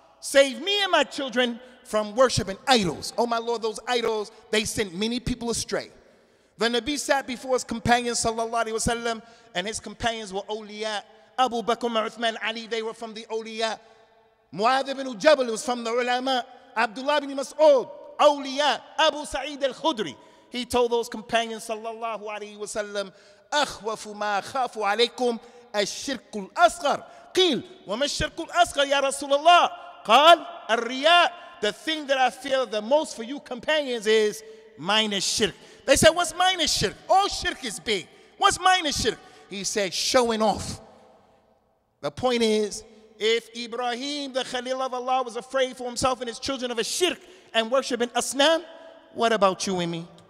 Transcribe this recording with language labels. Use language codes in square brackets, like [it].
[en] Save me and my children from worshiping idols. Oh my Lord, those idols, they sent many people astray. The Nabi sat before his companions [ar] sallallahu alaihi wasallam, [en] and his companions were awliya. Abu Bakr, Uthman, Ali, they were from the awliya. Mu'adh ibn Jabal was from the ulama. Abdullah ibn Mas'ud, Awliya, Abu Sa'id al-Khudri. He told those companions, [ar] sallallahu alayhi wa sallam, أَخْوَفُ مَا خَافُ عَلَيْكُمْ الشِّرْكُ الْأَصْغَرُ قِيلْ وَمَا الشِّرْكُ الْأَصْغَرُ يَا رَسُولَ اللَّهِ قَالْ الْرِيَاءُ. [en] The thing that I fear the most for you companions is minor shirk. They said, what's minor shirk? All shirk is big. What's minor shirk? He said, showing off. The point is, if Ibrahim, the Khalil of Allah, was afraid for himself and his children of a shirk and worshiping Asnam, what about you and me?